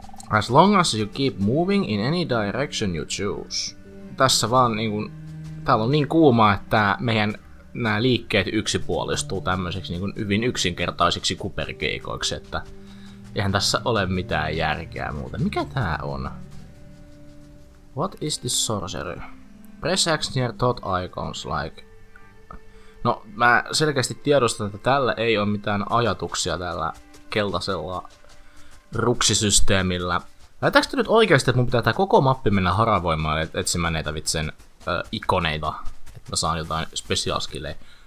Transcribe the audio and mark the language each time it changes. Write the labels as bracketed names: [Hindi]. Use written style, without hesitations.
[English] As long as you keep moving in any direction you choose. [Finnish] Tässä vaan niinku... Täällä on niin kuuma, että meidän nämä liikkeet yksipuolistuu tämmöiseksi niin kuin hyvin yksinkertaisiksi kuperkeikoiksi, että eihän tässä ole mitään järkeä muuta. Mikä tää on? [English] What is this sorcery? Press X near thought icons like... [Finnish] No, mä selkeästi tiedostan, että tällä ei ole mitään ajatuksia tällä keltaisella ruksisysteemillä. Lähetäänkö nyt oikeasti, että mun pitää tää koko mappi mennä haravoimaan etsimään näitä vitsen ikoneita, että mä saan jotain spesiaalskilleen?